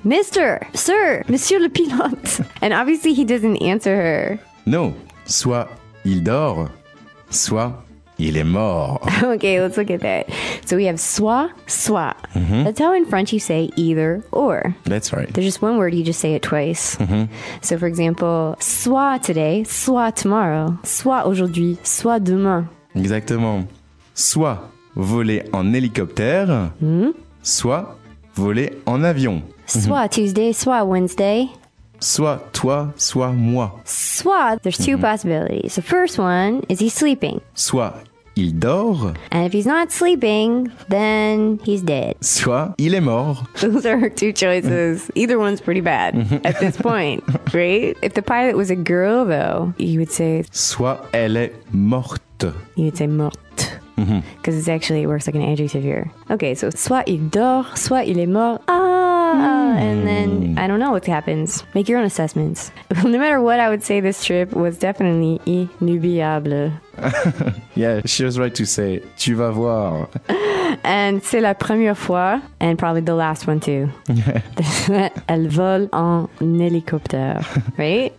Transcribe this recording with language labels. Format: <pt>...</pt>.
<en>Mister, sir,</en> <fr>monsieur le pilote.</fr> <en>And obviously he doesn't answer her.</en> <fr>No. Soit il dort, soit... il est mort.</fr> <en>Okay, let's look at that. So we have soit, soit. Mm-hmm. That's how in French you say either or. That's right. There's just one word, you just say it twice. Mm-hmm. So for example, soit today, soit tomorrow,</en> <fr>soit aujourd'hui, soit demain. Exactement. Soit voler en hélicoptère, mm-hmm. soit voler en avion.</fr> <en>Soit mm-hmm. Tuesday, soit Wednesday.</en> <fr>Soit toi, soit moi.</fr> <en>Soit, there's two mm-hmm. possibilities. The first one, is he sleeping?</en> <fr>Soit il dort.</fr> <en>And if he's not sleeping, then he's dead.</en> <fr>Soit il est mort.</fr> <en>Those are her two choices. Either one's pretty bad at this point, right? If the pilot was a girl, though, you would say...</en> <fr>soit elle est morte.</fr> <en>You would say morte. Because mm-hmm. it's actually, it works like an adjective here. Okay, so</en> <fr>soit il dort, soit il est mort.</fr> <en>And then, I don't know what happens. Make your own assessments. No matter what, I would say this trip was definitely inoubliable. Yeah, she was right to say,</en> <fr>tu vas voir.</fr> <en>And</en> <fr>c'est la première fois,</fr> <en>and probably the last one too.</en> <fr>Elle vole en hélicoptère, right?</fr>